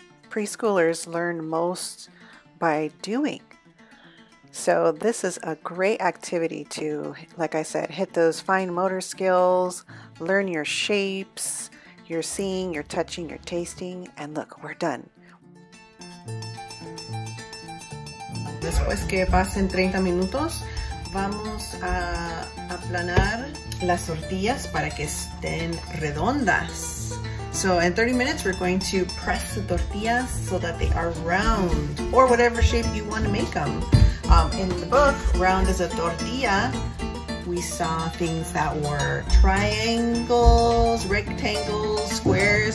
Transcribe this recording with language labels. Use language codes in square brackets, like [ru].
[en] Preschoolers learn most by doing. So this is a great activity to, like I said, hit those fine motor skills, learn your shapes, your seeing, your touching, your tasting, and look, we're done. [es] Después que pasen 30 minutos, vamos a aplanar las tortillas para que estén redondas. [en] So in 30 minutes, we're going to press the tortillas so that they are round or whatever shape you want to make them. In the book, Round as a Tortilla, we saw things that were triangles, rectangles, squares.